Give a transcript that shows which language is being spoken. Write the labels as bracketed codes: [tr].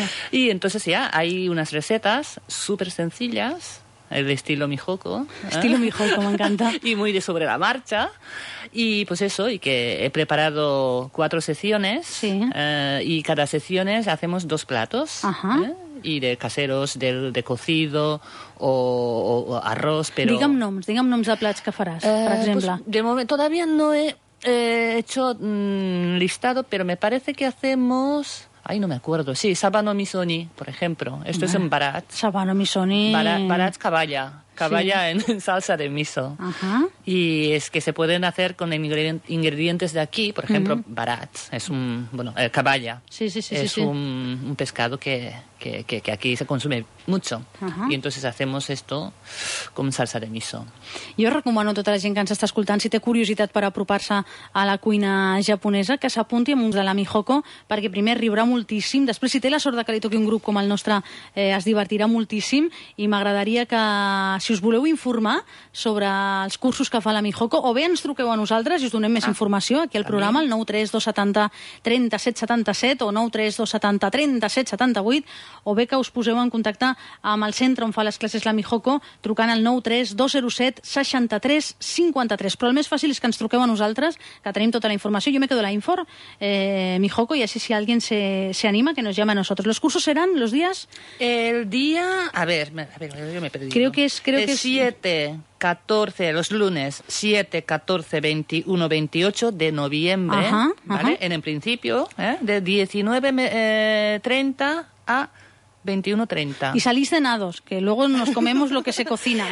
[es] Y entonces ya hay unas recetas súper sencillas, el estilo Mihoko. Estilo Mihoko, me encanta. Y muy de sobre la marcha. Y pues eso, y que he preparado 4 sesiones. Sí. Y cada sesión hacemos 2 platos. Ajá. Y de caseros, de cocido o arroz, pero... [ca] Digam noms de plats que faràs, per exemple. [es] Pues de moment, todavía no he hecho listado, pero me parece que hacemos... Ay, no me acuerdo. Sí, sabano misoni, por ejemplo. Esto es un barat. Sabano misoni... Barat caballa. Caballa en salsa de miso. Ajá. Y es que se pueden hacer con ingredientes de aquí, por ejemplo, barat. Es un... Bueno, caballa. Sí. Es un pescado que aquí se consume mucho. Ajá. Y entonces hacemos esto con salsa de miso. [ca] Jo recomano a tota la gent que ens està escoltant, si té curiositat per apropar-se a la cuina japonesa, que s'apunti amb uns de la Mihoko, perquè primer riurà moltíssim, després si té la sort que li toqui un grup com el nostre, es divertirà moltíssim, i m'agradaria que, si us voleu informar sobre els cursos que fa la Mihoko, o bé ens truqueu a nosaltres i us donem més informació aquí al programa, al 932703777 o 932703778, o bé que us poseu en contacte amb el centre on fa les classes la Mihoko trucant al 932076353. Però el més fàcil és que ens truqueu a nosaltres, que tenim tota la informació. Jo me quedo la info, Mihoko, i així si algú se anima, [es] que nos llama [ca] a nosaltres. Els cursos seran els dies? El dia... [es] A ver, [ca] jo m'he perdut. [es] Creo que es 7, 14, los lunes, 7, 14, 21, 28 de noviembre, ajá. En el principio, de 19:30 a 21:30. Y salís cenados, que luego nos comemos lo que se cocina, que